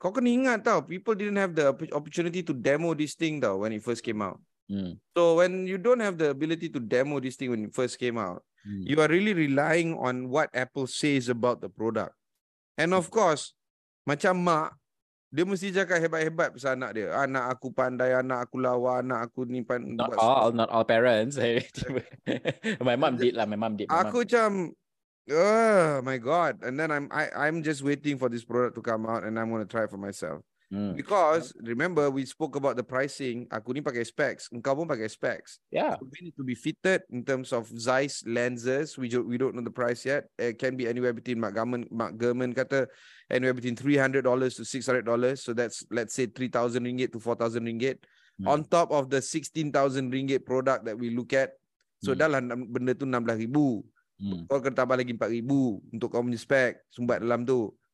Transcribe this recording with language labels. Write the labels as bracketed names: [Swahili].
[Malay] Kau kena ingat tau, [English] people didn't have the opportunity to demo this thing tau when it first came out. So when you don't have the ability to demo this thing when it first came out, you are really relying on what Apple says about the product. And of course, [Malay] macam mak, dia mesti cakap hebat-hebat pasal anak dia. Anak aku pandai, anak aku lawa, anak aku ni pandai. [English] Not all parents. My mom did. [Malay] Aku macam, [English] oh my god, and then I'm just waiting for this product to come out and I'm going to try it for myself. Because remember we spoke about the pricing, [Malay] aku ni pakai specs, [English] engkau pun pakai specs. Yeah. So we need to be fitted in terms of Zeiss lenses. We don't know the price yet. It can be anywhere between Mark Gurman kata anywhere between $300 to $600, so that's let's say RM3,000 to RM4,000 on top of the RM16,000 product that we look at. [Malay] So dahlah benda tu RM16,000. Kau kena tambah lagi RM4,000 untuk kau punya spek sumbat dalam tu.